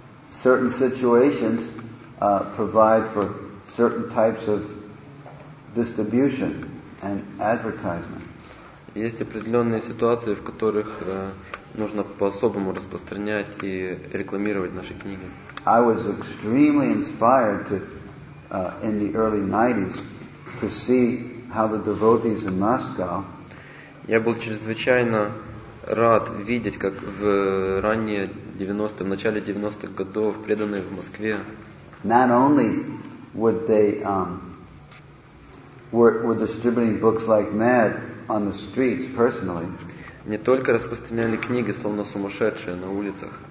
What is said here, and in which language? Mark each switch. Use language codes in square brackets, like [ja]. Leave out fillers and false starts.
[en] Certain situations provide for certain types of distribution and advertisement. [ru] Есть определенные ситуации, в которых нужно по-особому распространять и рекламировать наши книги. [en] I was extremely inspired to, in the early 90s, to see how the devotees in Moscow. [ru] Я был чрезвычайно рад видеть, как в ранние в начале 90-х годов, преданные в Москве. [en] Not only would they were distributing books like mad on the streets personally. [ru] Не только распространяли книги словно сумасшедшие на улицах.